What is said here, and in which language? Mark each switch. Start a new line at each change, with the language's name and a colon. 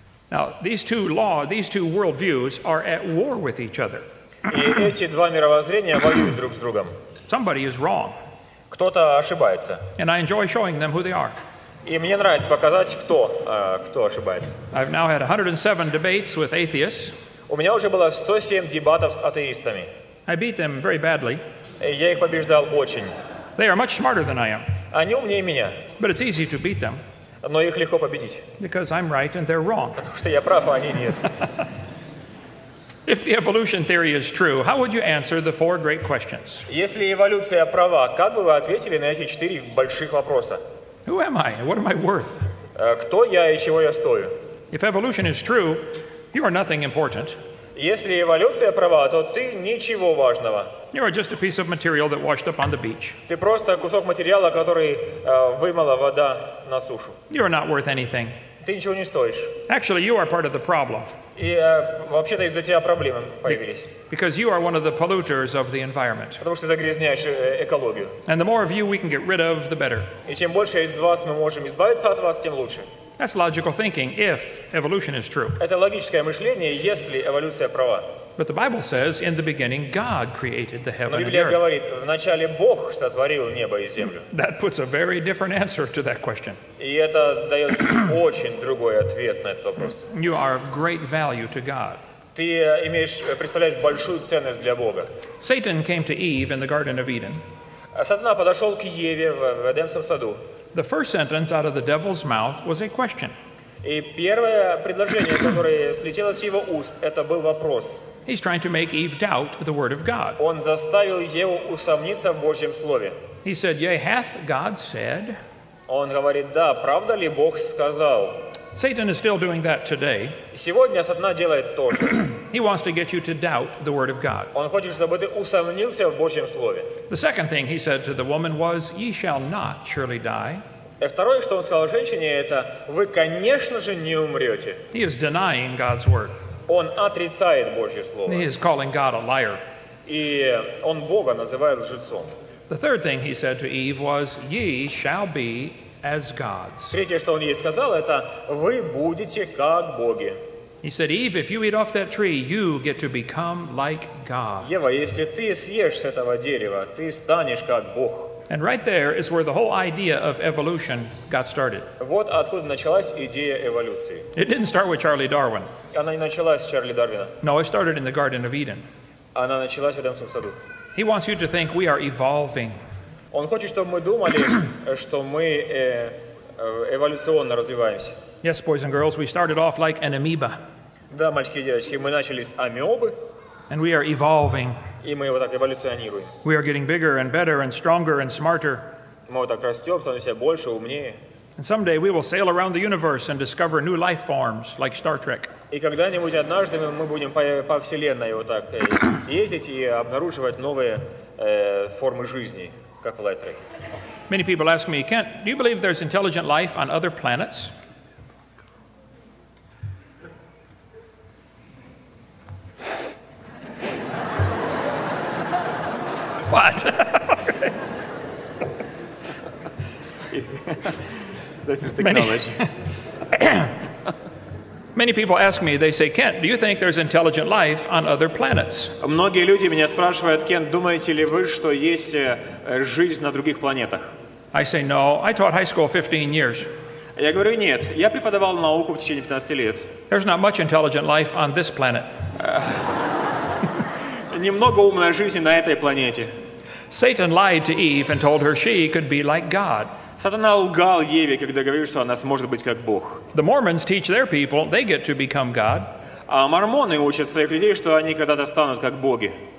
English: Now, these two world views are at war with each other.
Russian: И эти два мировоззрения воюют друг с другом.
English: Somebody is wrong.
Russian: Кто-то ошибается.
English: And I enjoy showing them who they are.
Russian: И мне нравится показать, кто ошибается.
English: I've now had 107 debates with atheists.
Russian: У меня уже было 107 дебатов с атеистами.
English: I beat them very badly.
Russian: Я их побеждал очень.
English: They are much smarter than I am.
Russian: Они умнее меня.
English: But it's easy to beat them.
Russian: Но их легко победить.
English: Because I'm right and they're wrong.
Russian: Потому что я прав, а они нет.
English: If the evolution theory is true, how would you answer the four great questions?
Russian: Если эволюция права, как бы вы ответили на эти четыре больших вопроса?
English: Who am I? What am I worth?
Russian: Кто я и чего я стою?
English: If evolution is true, you are nothing important.
Russian: Если эволюция права, то ты ничего важного.
English: You are just a piece of material that washed up on the beach.
Russian: Ты просто кусок материала, который вымыла вода на сушу.
English: You are not worth anything.
Russian: Ты ничего не стоишь.
English: Actually, you are part of the problem.
Russian: И вообще-то из-за тебя проблемы появились.
English: Because you are one of the polluters of the environment.
Russian: Потому что загрязняешь экологию.
English: And the more of you we can get rid of, the better.
Russian: И чем больше из вас мы можем избавиться от вас, тем лучше.
English: That's logical thinking if evolution is true.
Russian: Это логическое мышление, если эволюция права.
English: But the Bible says, in the beginning, God created the heaven and earth.
Russian: Но Библия говорит, вначале Бог сотворил небо и землю.
English: That puts a very different answer to that question.
Russian: И это дает очень другой ответ на этот вопрос.
English: You are of great value to God.
Russian: Ты представляешь большую ценность для Бога.
English: Satan came to Eve in the Garden of Eden.
Russian: Сатана подошел к Еве в Эдемском саду.
English: The first sentence out of the devil's mouth was a question.
Russian: И первое предложение, которое слетело с его уст, это был вопрос.
English: He's trying to make Eve doubt the word of God.
Russian: Он заставил Еву усомниться в Божьем слове.
English: He said, "Yea, hath God said?"
Russian: Он говорит: да, правда ли Бог сказал?
English: Satan is still doing that today.
Russian: Сегодня сатана делает то же.
English: He wants to get you to doubt the word of God.
Russian: Он хочет, чтобы ты усомнился в Божьем слове.
English: The second thing he said to the woman was, "Ye shall not surely die."
Russian: И второе, что он сказал женщине, это: вы, конечно же, не умрете.
English: He is denying God's word.
Russian: Он отрицает Божье слово.
English: He is calling God a liar.
Russian: И он Бога называет лжецом.
English: The third thing he said to Eve was, "Ye shall be as gods."
Russian: Третье, что он ей сказал, это: вы будете как боги.
English: He said, "Eve, if you eat off that tree, you get to become like God."
Russian: Ева, если ты съешь с этого дерева, ты станешь как Бог.
English: And right there is where the whole idea of evolution got started.
Russian: Вот откуда началась идея эволюции.
English: It didn't start with Charlie Darwin.
Russian: Она не началась с Чарли Дарвина.
English: No, it started in the Garden of Eden.
Russian: Она началась в Эдемском саду.
English: He wants you to think we are evolving.
Russian: Он хочет, чтобы мы думали, что мы эволюционно развиваемся.
English: Yes, boys and girls, we started off like an amoeba.
Russian: Да, мальчики и девочки, мы начали с амебы.
English: And we are evolving.
Russian: И мы вот так эволюционируем.
English: We are getting bigger and better and stronger and smarter.
Russian: Мы вот так растем, становимся больше, умнее.
English: And someday we will sail around the universe and discover new life forms like Star Trek.
Russian: И когда-нибудь однажды мы будем по вселенной вот так ездить и обнаруживать новые формы жизни.
English: Many people ask me, Kent, do you believe there's intelligent life on other planets? What? This is technology. Many people ask me, they say, Kent, do you think there's intelligent life on other planets?
Russian: Многие люди меня спрашивают, Кент, думаете ли вы, что есть жизнь на других планетах?
English: I say, no. I taught high school 15 years.
Russian: Я говорю, нет. Я преподавал науку в течение 15 лет.
English: There's not much intelligent life on this planet.
Russian: Немного умной жизни на этой планете.
English: Satan lied to Eve and told her she could be like God.
Russian: Сатана лгал Еве, когда говорил, что она сможет быть как Бог.
English: The Mormons teach their people they get to become God.
Russian: А мормоны учат своих людей, что они когда-то станут как боги.